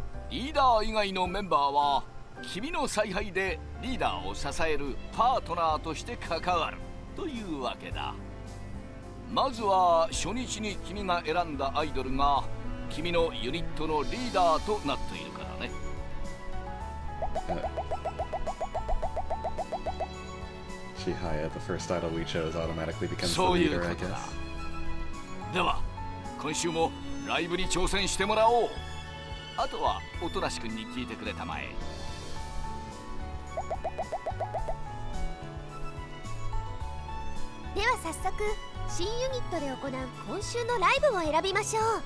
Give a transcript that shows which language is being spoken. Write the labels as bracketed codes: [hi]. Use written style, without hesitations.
[ja] リーダー以外のメンバーは君の采配でリーダーを支えるパートナーとして関わるというわけだ。まずは初日に君が選んだアイドルが君のユニットのリーダーとなっているからね。 [en] Shihaya, the first idol we chose automatically becomes the leader, I guess. [ja] では、今週もライブに挑戦してもらおう。あとは、おとなしくんに聞いてくれたまえ。では早速、新ユニットで行う今週のライブを選びましょう。